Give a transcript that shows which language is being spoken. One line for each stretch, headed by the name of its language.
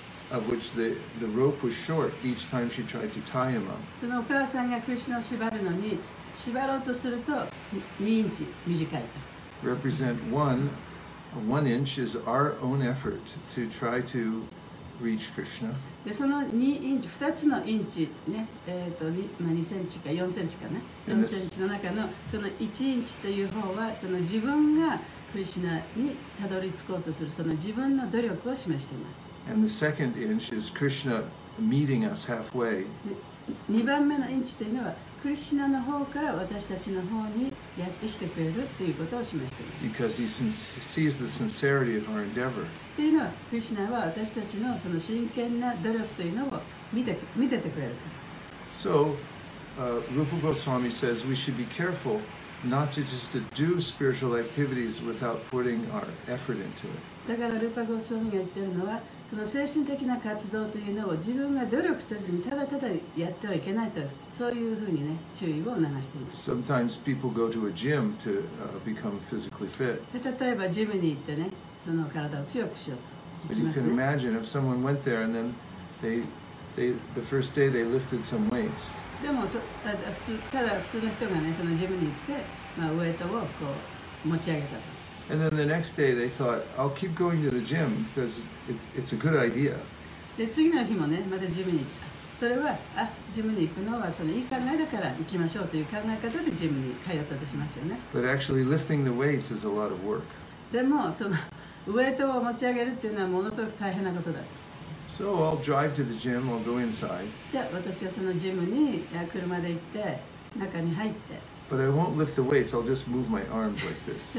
English: Of which the rope was short each time she tried to tie him up.
Japanese: そのお母さんがクリシナを縛るのに縛ろうとすると2インチ短いと。
English: Represent one, one inch is our own effort to try to reach Krishna.
Japanese: でその2インチ、2つのインチね、まあ、2センチか4センチかね、4センチの中のその1インチという方はその自分がクリシナにたどり着こうとするその自分の努力を示しています。
English: And the second inch is Krishna meeting us halfway.
Japanese: 2番目のインチというのは、クリシナの方から私たちの方にやってきてくれるということを示しています。
English: Because he sees the sincerity of our endeavor.
Japanese: というのは、クリシナは私たちのその真剣な努力というのを見ててくれると。
English: So, Rupa Goswami says we should be careful not to just to do spiritual activities without putting our effort into it.
Japanese: だからルパゴスワミが言ってるのは、その精神的な活動というのを自分が努力せずにただただやってはいけないと、そういうふうにね、注意を促しています。
English: Sometimes people go to a gym to become physically fit.
Japanese: で、例えばジムに行ってね、その体を強くしようと。
English: But you can imagine if someone went there and then the first day they lifted some weights.
Japanese: でも、ただ普通の人がね、そのジムに行って、まあ、ウエイトをこう持ち上げたと。
English: And then the next day they thought, I'll keep going to the gym because it's a good idea.
Japanese: で、次の日もね、またジムに行った。それは、あ、ジムに行くのはそのいい考えだから行きましょうという考え方でジムに通ったとしますよね。
English: But actually lifting the weights is a lot of work.
Japanese: でも、そのウエイトを持ち上げるっていうのはものすごく大変なことだ。
English: So I'll drive to the gym, I'll go inside.
Japanese: じゃあ、私はそのジムに車で行って、中に入って。
English: But I won't lift the weights, I'll just move my arms like this.